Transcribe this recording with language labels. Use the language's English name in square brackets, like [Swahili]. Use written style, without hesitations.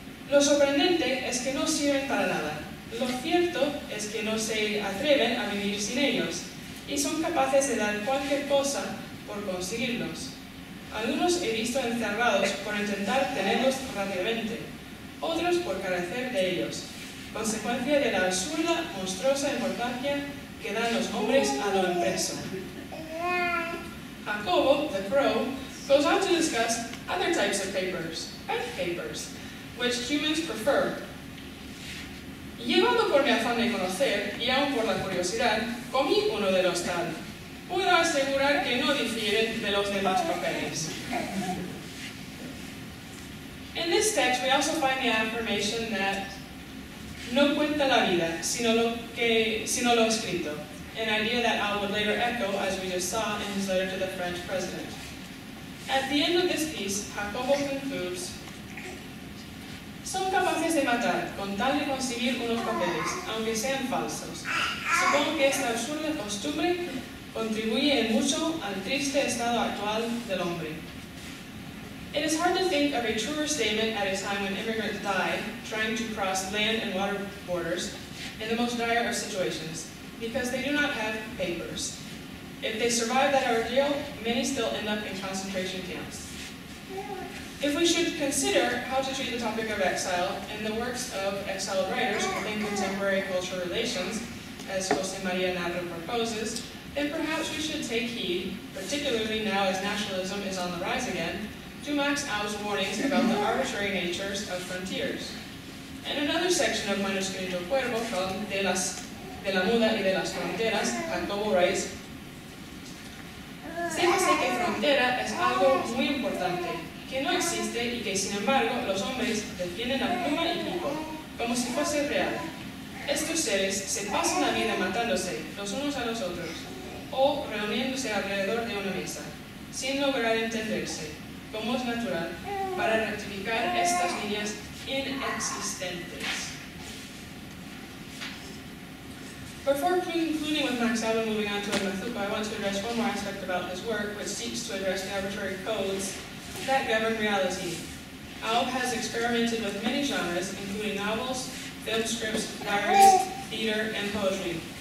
[Spanish] Lo sorprendente es que no sirven para nada. Lo cierto es que no se atreven a vivir sin ellos y son capaces de dar cualquier cosa por conseguirlos. Algunos he visto encerrados por intentar tenerlos rápidamente, otros por carecer de ellos, consecuencia de la absurda, monstruosa importancia que dan los hombres a lo impreso. [English] Jacobo, the crow, goes on to discuss other types of papers, earth papers, which humans prefer. [Spanish] Llevado por mi afán de conocer, y aún por la curiosidad, comí uno de los tal. Puedo asegurar que no difieren de los demás papeles. [English] In this text, we also find the affirmation that [Spanish] no cuenta la vida, sino lo escrito, [English] an idea that Al would later echo, as we just saw, in his letter to the French president. At the end of this piece, Jacobo concludes, [Spanish] son capaces de matar con tal de conseguir unos papeles, aunque sean falsos. Supongo que esta absurda costumbre contribuye en mucho al triste estado actual del hombre. [English] It is hard to think of a truer statement at a time when immigrants die trying to cross land and water borders in the most dire of situations, because they do not have papers. If they survive that ordeal, many still end up in concentration camps. If we should consider how to treat the topic of exile in the works of exiled writers within contemporary cultural relations, as José María Navarro proposes, then perhaps we should take heed, particularly now as nationalism is on the rise again, to Max Au's warnings about the arbitrary natures of frontiers. In another section of Manuscrito Cuervo called De la Muda y de las Fronteras, Jacobo writes, [Spanish] sépase que frontera es algo muy importante, que no existe y que, sin embargo, los hombres defienden a pluma y pico, como si fuese real. Estos seres se pasan la vida matándose los unos a los otros, o reuniéndose alrededor de una mesa, sin lograr entenderse, como es natural, para rectificar estas líneas inexistentes. [English] Before concluding with Max Au and moving on to Mazuco, I want to address one more aspect about his work, which seeks to address the arbitrary codes that govern reality. Au has experimented with many genres, including novels, film scripts, diaries, theater, and poetry.